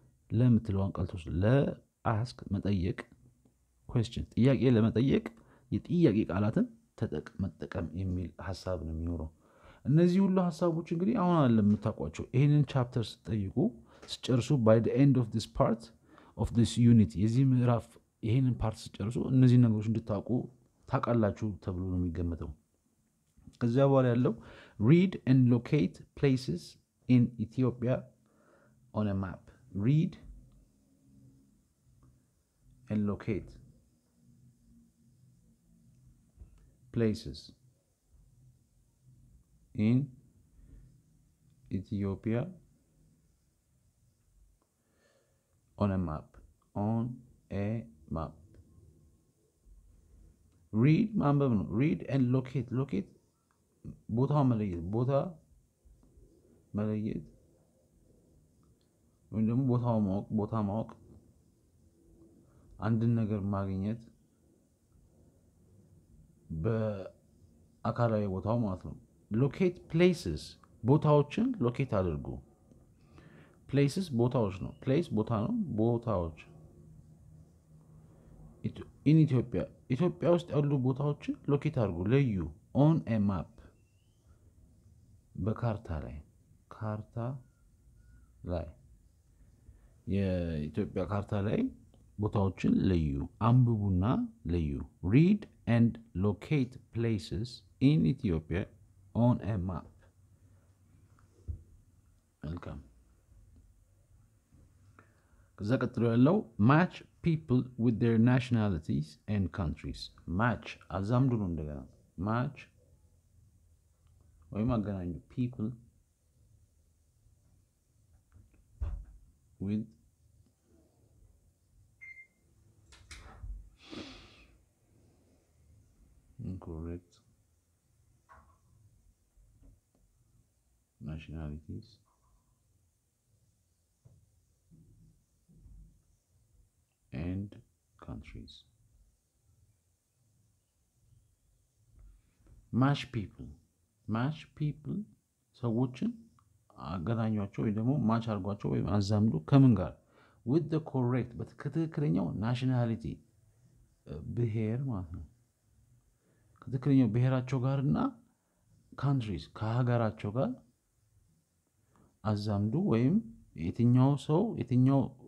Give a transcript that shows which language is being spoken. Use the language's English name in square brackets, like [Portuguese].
[Amharic] ለምትለዋን ቀልቶስ ለ ask መጠየቅ question ጥያቄ ለመጠየቅ የጥያቄ ቃላትን መጠቀም የሚል ሐሳብ ነው የሚኖረው። እነዚህ ሁሉ ሐሳቦች እንግዲህ አሁን አለ የምታቋቸው ይሄንን ቻፕተር ስትጠይቁ ስጨርሱ [English] by the end of this part of this unit [Amharic] የዚህ ምዕራፍ ይሄንን ፓርት ስጨርሱ እነዚህ ነገሮች እንድታውቁ ታቃላችሁ ተብሎ ነው የሚገመተው። ከዚያ በኋላ ያለው [English] read and locate places in Ethiopia on a map. read and locate places in Ethiopia on a map. on a map [Amharic] read ማንበብ ነው። read and locate locate ቦታ መለየት ቦታ መለየት ወይም ደግሞ ቦታው ማወቅ ቦታ ማወቅ አንድን ነገር ማግኘት በአካላዊ ቦታው ማለት ነው። locate places ቦታዎችን locate አድርጉ። places ቦታዎች ነው። place ቦታ ነው። ቦታዎች in Ethiopia ኢትዮጵያ ውስጥ ያሉ ቦታዎችን ሎኬት አድርጉ ለዩ። on a map በካርታ ላይ ካርታ ላይ የኢትዮጵያ ካርታ ላይ ቦታዎችን ለዩ አንብቡና ለዩ። [English] read and locate places in Ethiopia on a map. welcome [Amharic] ከዛ ቀጥሎ ያለው [English] match people with their nationalities and countries. match [Amharic] አዛምዱን እንደገና [English] match [Amharic] ወይም አገናኙ [English] people with incorrect nationalities and countries. match people match people [Amharic] ሰዎችን አገናኛቸው ወይ ደግሞ match አርጓቸው ወይ አዛምዱ ከምን ጋር with the correct በትክክለኛው nationality ብሔር ማለት ነው። ከትክክለኛው ብሔራቸው ጋርና countries ከሀገራቸው ጋር አዛምዱ ወይም የትኛው ሰው የትኛው